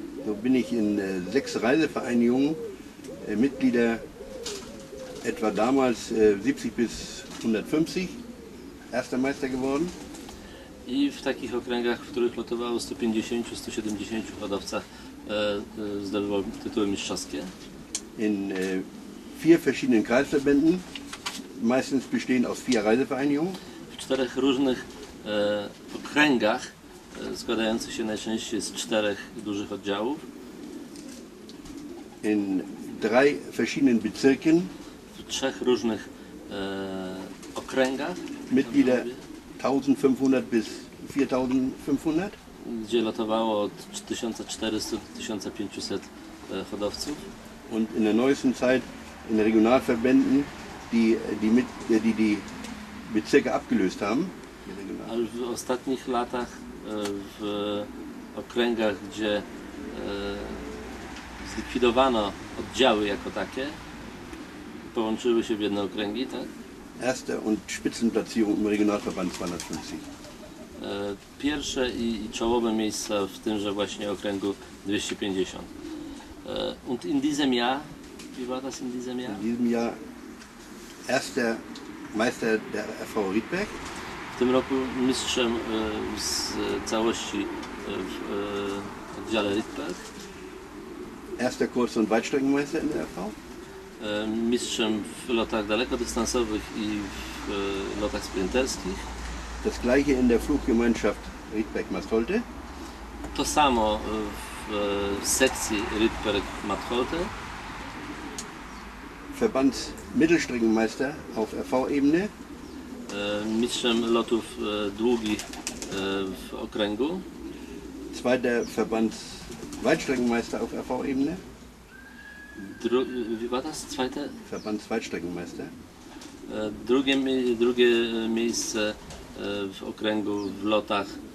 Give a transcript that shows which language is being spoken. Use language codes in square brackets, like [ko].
[de] So bin ich in sechs Reisevereinigungen Mitglieder etwa damals 70 bis 150 erster Meister geworden. [pl] I w takich okręgach, w których lotowało 150-170 hodowcach, zdobywał tytuły mistrzowskie. [de] In vier verschiedenen Kreisverbänden, meistens bestehen aus vier Reisevereinigungen. [pl] W czterech różnych okręgach, składających się najczęściej z czterech dużych oddziałów. [de] In drei verschiedenen Bezirken. [pl] W trzech różnych okręgach. [de] Mitglieder 1500 bis 4500. [pl] Gdzie lotowało od 1400 do 1500 hodowców. [de] Und in der neuesten Zeit in Regionalverbänden, die Bezirke abgelöst haben. [pl] A już w ostatnich latach w okręgach, gdzie zlikwidowano oddziały jako takie, połączyły się w jedne okręgi, tak? [de] Erste und Spitzenplatzierung im Regionalverband 250. [pl] Pierwsze i czołowe miejsca w tymże właśnie okręgu 250. [de] Und in diesem Jahr, wie war das in diesem Jahr? In diesem Jahr erster Meister der FV Riedberg. [pl] W tym roku mistrzem z całości w oddziale Riedberg. [de] Erster Kurs- und Weitstreckenmeister in der FV. [pl] Mistrzem w lotach dalekodystansowych i w lotach sprinterskich. [de] Das gleiche in der Fluggemeinschaft Riedberg-Mastolte. [pl] To samo w sekcji Riedberg-Mattholte. [de] Verbands Mittelstreckenmeister auf RV-Ebene. [pl] Mistrzem lotów długich w okręgu. [de] Zweiter Verbands Weitstreckenmeister auf RV-Ebene. Wie war das? Zweiter? Verbands Weitstreckenmeister. [pl] Drugie miejsce w okręgu w lotach.